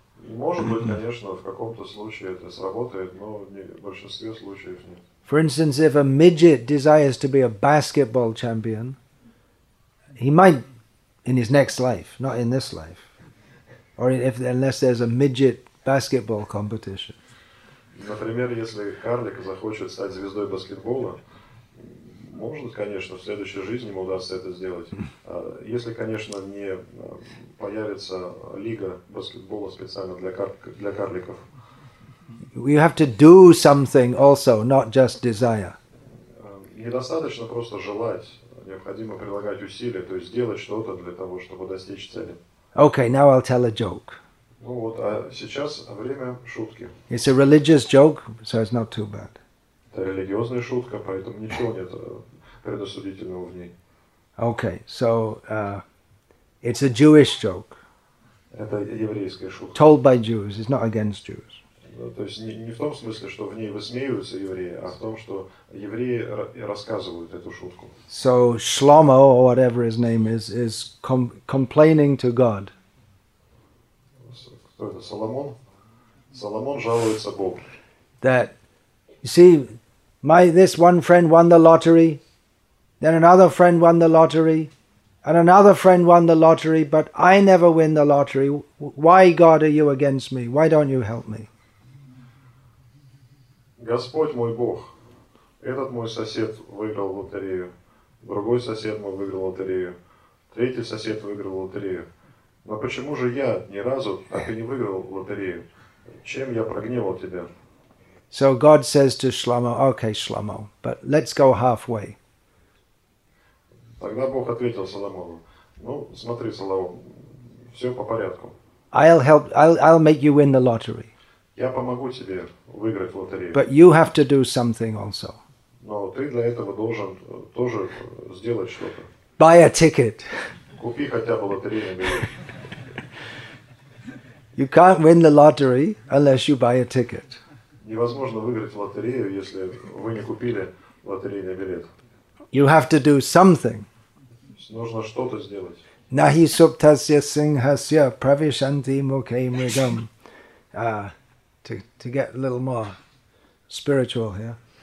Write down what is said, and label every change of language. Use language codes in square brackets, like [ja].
[ru] Может быть, конечно, в каком-то случае это сработает, но в большинстве случаев нет. [en] For instance, if a midget desires to be a basketball champion, he might in his next life, not in this life, or unless there's a midget basketball competition. [ru] Например, если карлик захочет стать звездой баскетбола, может, конечно, в следующей жизни ему удастся это сделать. Если, конечно, не появится лига баскетбола специально для карликов. [en] You have to do something also, not just desire. [ru] Недостаточно просто желать. Необходимо прилагать усилия, то есть делать что-то для того, чтобы достичь цели. [en] Okay, now I'll tell a joke. [ru] Ну вот, а сейчас время шутки. [en] It's a religious joke, so it's not too bad. [ru] Это религиозная шутка, поэтому ничего нет предосудительного в ней. [en] Okay, so it's a Jewish joke. [ru] Это еврейская шутка. [en] Told by Jews, it's not against Jews. [ru] То есть не в том смысле, что в ней высмеиваются евреи, а в том, что евреи рассказывают эту шутку. [en] So Shlomo, or whatever his name is complaining to God. [ru] Кто это? Соломон? Соломон жалуется Богу. [en] That, you see, this one friend won the lottery, then another friend won the lottery, and another friend won the lottery, but I never win the lottery. Why, God, are you against me? Why don't you help me? [ru] Господь мой Бог, этот мой сосед выиграл лотерею, другой сосед мой выиграл лотерею, третий сосед выиграл лотерею. Но почему же я ни разу так и не выиграл лотерею? Чем я прогневал тебя? [en] So God says to Shlomo, okay, Shlomo, but let's go halfway. [ru] Тогда Бог ответил Соломону, ну, смотри, Соломон, все по порядку. [en] I'll help, I'll make you win the lottery. [ru] Я помогу тебе выиграть лотерею. [en] But you have to do something also. [ru] Но ты для этого должен тоже сделать что-то. [en] Buy a ticket. [ru] Купи хотя бы лотерейный билет. [en] You can't win the lottery unless you buy a ticket. [ru] Невозможно выиграть лотерею, если вы не купили лотерейный билет. [en] You have to do something. [ru] Нужно что-то сделать. [sa] Nahi suptasya singhasya pravishanti mukhaim rigam. [en] To get a little more spiritual here.